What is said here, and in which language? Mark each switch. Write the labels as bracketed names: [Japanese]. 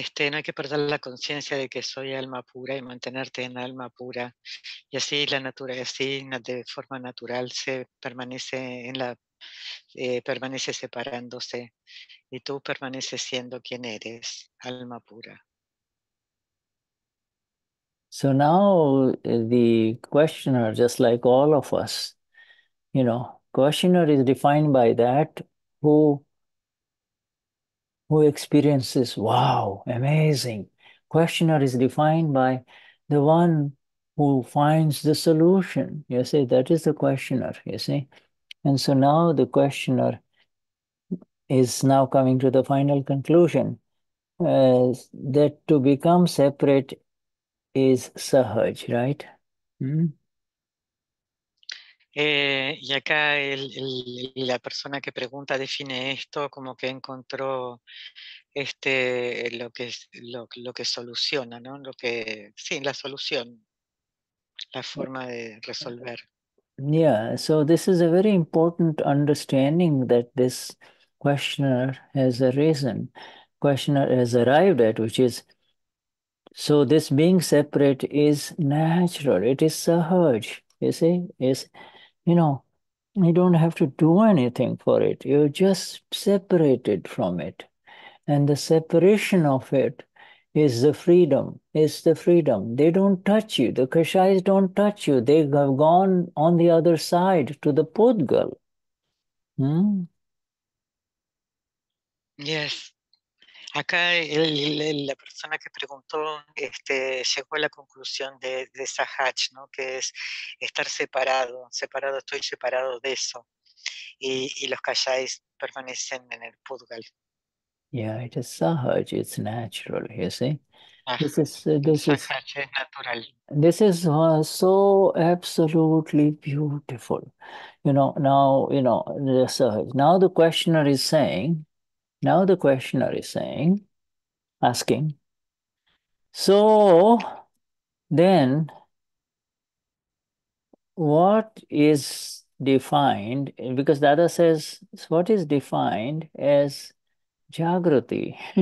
[Spanish] No hay que perder la conciencia de que soy alma pura y mantenerte en alma pura. Y así la naturaleza, así de forma natural, se permanece en la permanece separándose. Y tú permaneces siendo quien eres, alma pura. [English] So now the questioner, just like all of us, you know, questioner is defined by that who experiences, wow, amazing. Questioner is defined by the one who finds the solution. You see, that is the questioner, you see. And so now the questioner is now coming to the final conclusion that to become separate is sahaj, right? [Spanish] Y acá la persona que pregunta define esto como que encontró lo que es lo que soluciona, ¿no? Lo que sí, la solución, la forma de resolver. [English] Yeah, so this is a very important understanding that this questioner has arisen, questioner has arrived at, which is, so this being separate is natural, it is sahaj, you see, is, you know, you don't have to do anything for it, you're just separated from it. And the separation of it is the freedom, is the freedom. They don't touch you, the kashais don't touch you, they have gone on the other side to the podgal. Yes. [Spanish] Acá la persona que preguntó llegó a la conclusión de Sahaj, ¿no? Que es estar separado, separado, estoy separado de eso. Y los kashais permanecen en el pudgal. [English] Yeah, it is Sahaj, it's natural, you see. [Spanish] Sahaj es natural. [English] This is so absolutely beautiful. You know, the Sahaj. Now the questioner is saying, now the questioner is saying, asking, so then what is defined, because Dada says, so what is defined as Jagruti?